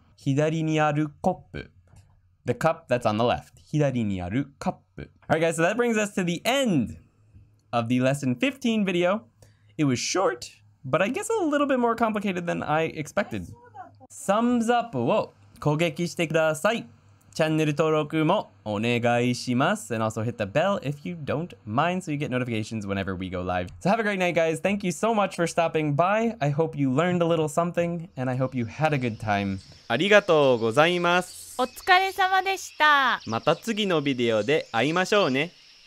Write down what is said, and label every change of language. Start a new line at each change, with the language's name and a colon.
Japanese: 左にあるコップ.
English: The cup that's on the left.
Japanese: 左にあるコップ.
English: All right, guys, so that brings us to the end of the lesson 15 video. It was short, but I guess a little bit more complicated than I expected. Thumbs up
Japanese: を 攻撃してください. チャンネル登録もお願いします.
English: And also hit the bell if you don't mind so you get notifications whenever we go live. So have a great night, guys. Thank you so much for stopping by. I hope you learned a little something, and I hope you had a good time.
Japanese: ありがとうございます。お疲れ様でした。また次のビデオで会いましょうね。